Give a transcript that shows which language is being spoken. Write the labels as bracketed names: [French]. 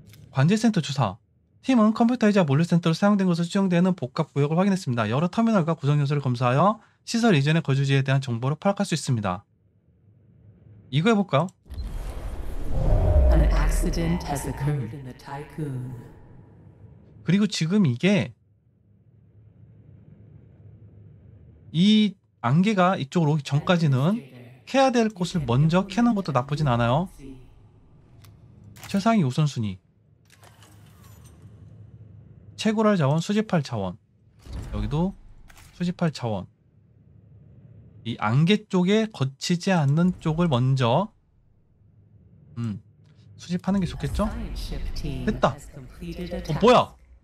[Korean] 관제센터 조사. 팀은 컴퓨터이자 물류센터로 사용된 것으로 추정되는 복합구역을 확인했습니다. 여러 터미널과 구성요소를 검사하여 시설 이전의 거주지에 대한 정보를 파악할 수 있습니다. 이거 해볼까요? [English] An accident has occurred in the tycoon. [Korean] 그리고 지금 이게 이 안개가 이쪽으로 오기 전까지는 캐야 될 곳을 먼저 캐는 것도 나쁘진 않아요. 최상위 우선순위 채굴할 자원, 수집할 자원 여기도 수집할 자원 이 안개 쪽에 거치지 않는 쪽을 먼저 수집하는 게 좋겠죠? 됐다! 뭐야!